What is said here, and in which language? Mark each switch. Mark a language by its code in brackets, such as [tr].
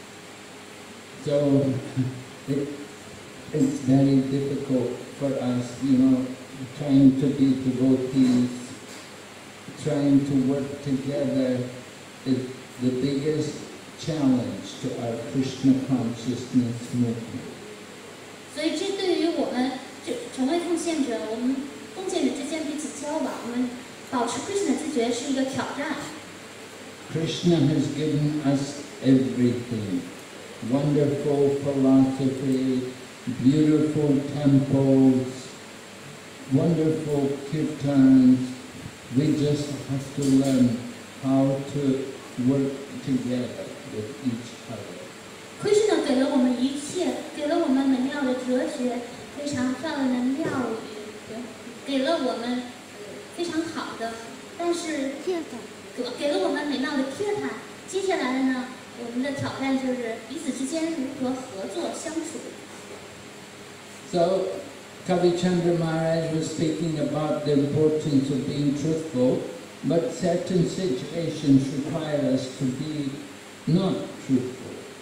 [en] So it's very difficult for us, trying to be devotees, trying to work together is the biggest challenge to our Krishna consciousness movement. [zh] 所以这对于我们成为奉献者，我们奉献者之间彼此交往，我们保持 Krishna 自觉是一个挑战。 [en] Krishna has given us everything: wonderful philosophy, beautiful temples, wonderful kirtans. We just have to learn how to work together with each other. [zh] Krishna 给了我们一切，给了我们美妙的哲学，非常漂亮的妙语，给了我们非常好的，但是给了我们美妙的Kirtan。接下来呢，我们的挑战就是彼此之间如何合作相处。 [en] So, Kavi Chandramaraj was speaking about the importance of being truthful, but certain situations require us to be not truthful.